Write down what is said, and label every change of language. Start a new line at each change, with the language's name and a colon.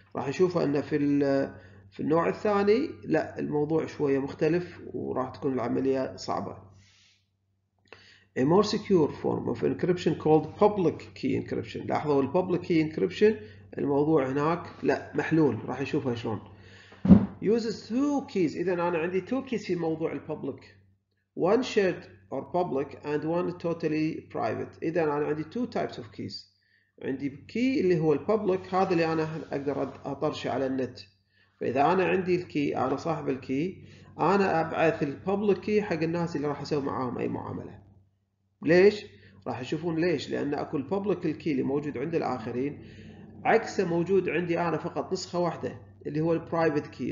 Arabic: راح نشوفه أن في النوع الثاني لا، الموضوع شوية مختلف وراح تكون العملية صعبة.
English: A more secure form of encryption called public key encryption.
Arabic: لاحظوا ال
English: public key encryption
Arabic: الموضوع هناك لا محلول، راح نشوفه شلون.
English: Uses two keys.
Arabic: إذن أنا عندي
English: two keys
Arabic: في موضوع public.
English: One shared or public and one totally private.
Arabic: إذن أنا عندي
English: two types of keys.
Arabic: عندي key اللي هو public، هذا اللي أنا أقدر أطرش على النت. فإذا أنا عندي الكي، أنا صاحب الكي، أنا أبعث public key حق الناس اللي راح أسوي معهم أي معاملة. ليش؟ راح أشوفون ليش. لأن أكو public key اللي موجود عند الآخرين عكس موجود عندي أنا فقط نسخة واحدة اللي هو البرايفت كي.